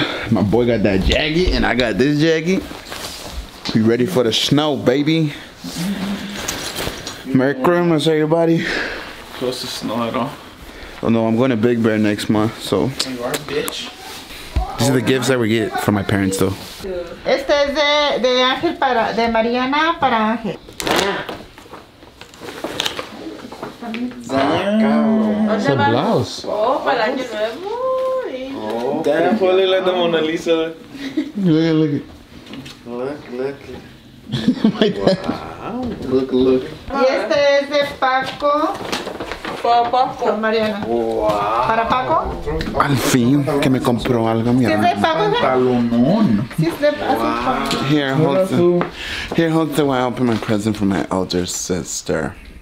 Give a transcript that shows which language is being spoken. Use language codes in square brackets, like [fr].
[en] My boy got that jacket and I got this jacket. We ready for the snow, baby. Merry Christmas, everybody. Close to snow at all? Oh no, I'm going to Big Bear next month, so. You are a bitch. These are the gifts that we get from my parents, though. [es] Este es de Ángel para, de Mariana para Ángel. [en] It's a blouse. [es] Oh, para año nuevo. [en] Damn, probably like the Mona Lisa. Look. My dad. Wow. Look. [es] Y este es de Paco. Para Paco. Para Mariana. [en] Wow. [es] Para Paco. Al fin, que me compró algo, mi hermano. Si es de Paco. Pantalonón. Si es de Paco. [en] Here, hold the while I open my present for my elder sister.